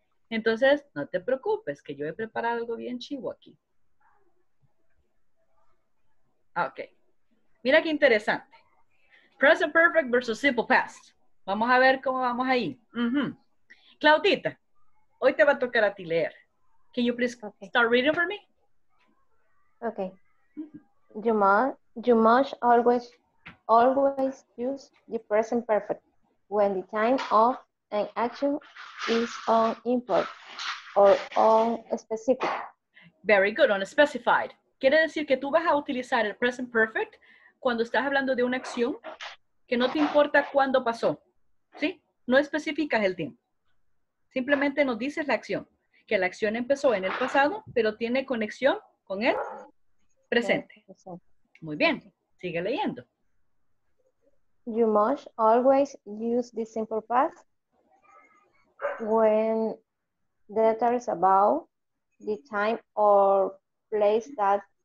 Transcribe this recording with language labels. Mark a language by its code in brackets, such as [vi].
[es] Entonces, no te preocupes que yo he preparado algo bien chivo aquí. Ok. Mira qué interesante. Present perfect versus simple past. Vamos a ver cómo vamos ahí. Mm-hmm. Claudita, hoy te va a tocar a ti leer. [en] Can you please start reading for me? Okay. You must always use the present perfect when the time of an action is on import or on specific. Very good, on specified. [es] Quiere decir que tú vas a utilizar el present perfect cuando estás hablando de una acción que no te importa cuándo pasó, ¿sí? No especificas el tiempo. Simplemente nos dices la acción, que la acción empezó en el pasado, pero tiene conexión con el presente. Muy bien, sigue leyendo. [en] You must always use the simple past when that is about the time or place that